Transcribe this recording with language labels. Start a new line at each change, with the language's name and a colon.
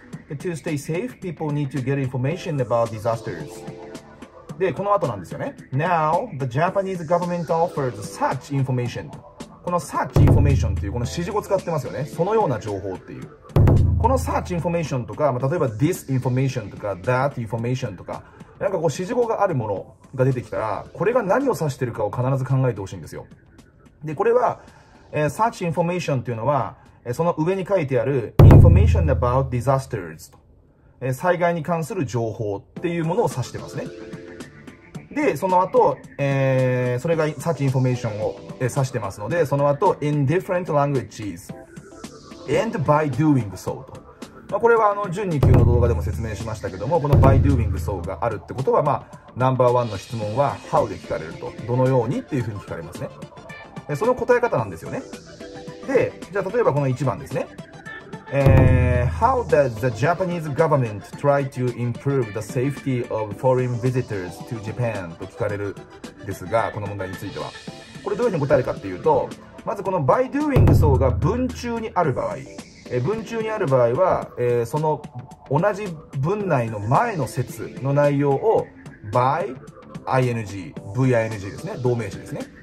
English: To stay safe, people need to get information about disasters.
Japanese: で、この後なんですよね。
English: Now, the Japanese government offers such information.
Japanese: この such information っていうこの指示語使ってますよね。そのような情報っていう。この such information とか、まあ、例えば this information とか that information とか、なんかこう指示語があるものが出てきたら、これが何を指してるかを必ず考えてほしいんですよ。で、これは、 such information というのは、その上に書いてある information about disasters と、災害に関する情報っていうものを指してますね。で、その後、それが such information を、指してますので、その後 in different languages and by doing so と、まあ、これは準2級の動画でも説明しましたけども、この by doing so があるってことは、まあ、ナンバーワンの質問は how で聞かれると、どのようにっていうふうに聞かれますね。その答え方なんですよね。で、じゃあ例えばこの1番ですね。
English: How does the Japanese government try to improve the safety of foreign visitors to Japan?
Japanese: と聞かれるんですが、この問題については。これどういうふうに答えるかっていうと、まずこの by doing so が文中にある場合、文中にある場合は、その同じ文内の前の節の内容を by ing、ving ですね。同名詞ですね。